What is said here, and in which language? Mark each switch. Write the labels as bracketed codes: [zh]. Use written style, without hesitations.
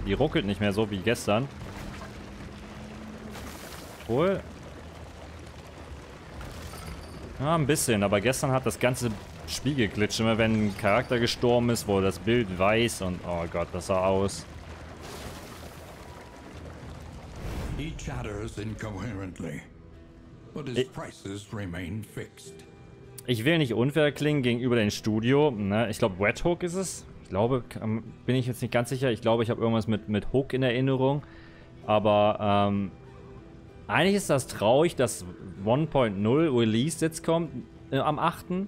[de] Die ruckelt nicht mehr so wie gestern. Obwohl. Ja, ein bisschen. Aber gestern hat das ganze Spiel geglitscht. Immer wenn ein Charakter gestorben ist, wo das Bild weiß und... Oh Gott, das sah aus. [en] He chatters incoherently, but his prices remain fixed. [de] Ich will nicht unfair klingen gegenüber dem Studio, ne? Ich glaube, Red Hook ist es. Ich glaube, bin ich jetzt nicht ganz sicher. Ich glaube, ich habe irgendwas mit Hook in Erinnerung. aber eigentlich ist das traurig, dass 1.0 released jetzt kommt am 8.